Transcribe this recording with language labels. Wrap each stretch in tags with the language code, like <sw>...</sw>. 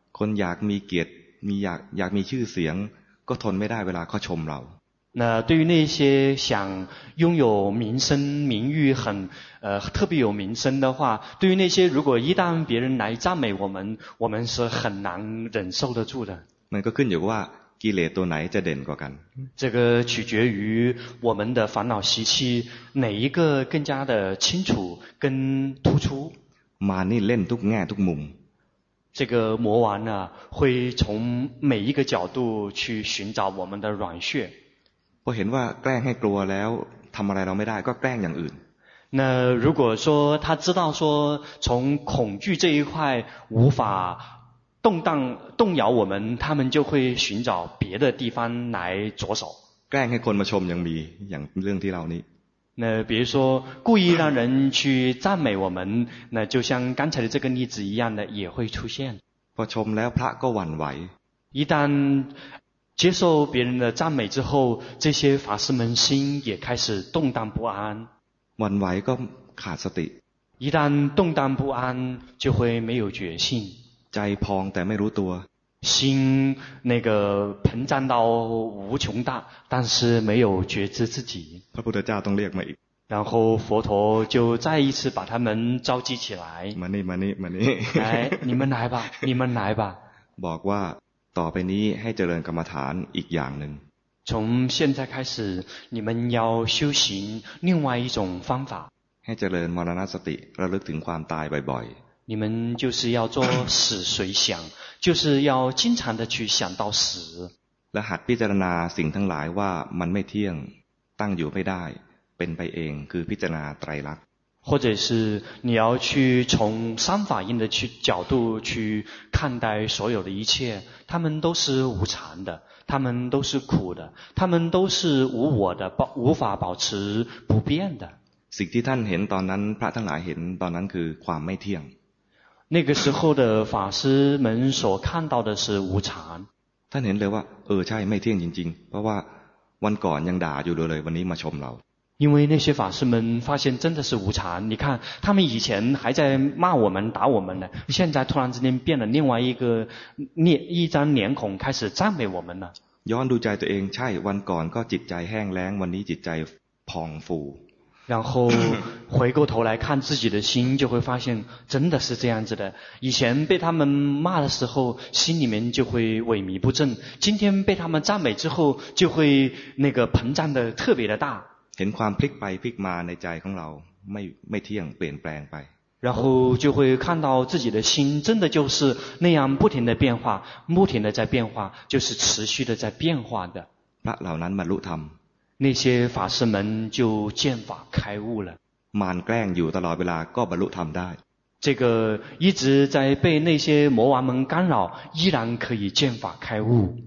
<th>คนอยากมีเกียรติมีอยากมีชื่อเสียงก็ทนไม่ได้เวลาเขาชมเรา</th> <zh>那对于那些想拥有名声名誉很特别有名声的话对于那些如果一旦别人来赞美我们是很难忍受得住的</zh> <th>มันก็ขึ้นอยู่ว่ากิเลสตัวไหนจะเด่นกว่ากัน</th> <zh>这个取决于我们的烦恼习气哪一个更加的清楚跟突出</zh> <th>มานี่เล่นทุกแง่ทุกมุม</th> <zh>这个魔王呢会从每一个角度去寻找我们的软穴</zh> <th>พอเห็นว่าแกล้งให้กลัวแล้วทำอะไรเราไม่ได้ก็แกล้งอย่างอื่น</th> <zh>那如果说他知道说从恐惧这一块无法动摇我们他们就会寻找别的地方来着手</zh> <th>แกล้งให้คนมาชมยังมีอย่างเรื่องที่เรานี้</th> <zh>那比如说故意让人去赞美我们那就像刚才的这个例子一样的也会出现</zh> <th>พอชมแล้วพระก็หวั่นไหว</th> <zh>一旦接受别人的赞美之后这些法师们心也开始动荡不安</zh> <th>หวั่นไหวก็ขาดสติ</th> <zh>一旦动荡不安就会没有决心</zh> <th>ใจพองแต่ไม่รู้ตัว</th> <zh>心那个膨胀到无穷大但是没有觉知自己</zh> <th>พระพุทธเจ้าต้องเรียกมาอีก</th> <zh>然后佛陀就再一次把他们召集起来</zh> <th>มานี่มานี่มานี่</th> <zh>来你们来吧你们来吧</zh> <th>บอกว่าต่อไปนี้ให้เจริญกรรมฐานอีกอย่างหนึ่ง</th> <zh>从现在开始你们要修行另外一种方法</zh> <th>ให้เจริญมรณสติระลึกถึงความตายบ่อย</th> <zh>ๆ你们就是要做死随想就是要经常的去想到死</zh> <th>และหัดพิจารณาสิ่งทั้งหลายว่ามันไม่เที่ยงตั้งอยู่ไม่ได้เป็นไปเองคือพิจารณาไตรลักษณ์</th> <zh>或者是你要去从三法印的去角度去看待所有的一切他们都是无常的他们都是苦的他们都是无我的无法保持不变的</zh> <th>สิ่งที่ท่านเห็นตอนนั้นพระทั้งหลายเห็นตอนนั้นคือความไม่เที่ยง นั่นก็คือพระสงฆ์</th> <zh>所看到的是无常</zh> <th>ท่านเห็นเลยว่าเออใช่ไม่เที่ยงจริงๆเพราะว่าวันก่อนยังด่าอยู่เลยวันนี้มาชมเรา</th> <zh>因为那些法师们发现真的是无常你看他们以前还在骂我们打我们呢现在突然之间变了另外一张脸孔开始赞美我们了</zh> <th>ย้อนดูใจตัวเองใช่วันก่อนก็จิตใจแห้งแล้งวันนี้จิตใจผ่องฟู</th> <zh>然后回过头来看自己的心就会发现真的是这样子的以前被他们骂的时候心里面就会萎靡不振今天被他们赞美之后就会那个膨胀的特别的大</zh> <th>เห็นความพลิกไปพลิกมาในใจของเราไม่เที่ยงเปลี่ยนแปลงไป</th> <zh>然后就会看到自己的心真的就是那样不停的变化不停的在变化就是持续的在变化的</zh> <th>พระเหล่านั้นบรรลุธรรม นี่เสียฝาสมันจู่เจียนฝาไข้อู้แล้ว มารแกล้งอยู่ตลอดเวลาก็บรรลุธรรมได้</th> <zh>这个一直在被那些魔王们干扰依然可以</zh> <th>เจียนฝาไข้อู้</th>